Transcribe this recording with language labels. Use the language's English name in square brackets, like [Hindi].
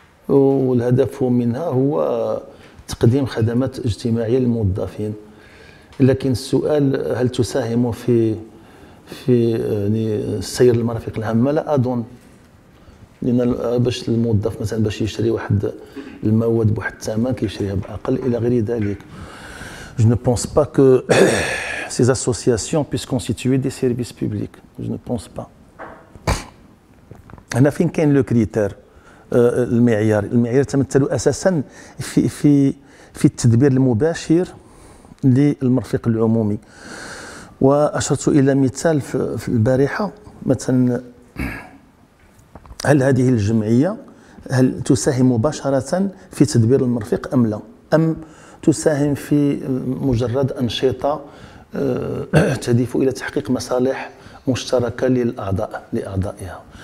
[Arabic] والهدف منها هو تقديم خدمات اجتماعية للموظفين. لكن السؤال هل تساهم في يعني سير المرافق العامة؟ لا أظن، لأن باش الموظف مثلا باش يشري واحد المواد بواحد الثمن كيشريها بأقل إلى غير ذلك. [French] Je ne pense pas que ces associations puissent constituer des services publics. Je ne pense pas. [Arabic] هنا فين كاين لو كريتير المعيار؟ المعيار تمثل اساسا في التدبير المباشر للمرفق العمومي. واشرت الى مثال في البارحه، مثلا هل هذه الجمعيه هل تساهم مباشره في تدبير المرفق ام لا؟ ام تساهم في مجرد انشطه تهدف الى تحقيق مصالح مشتركه للاعضاء لاعضائها.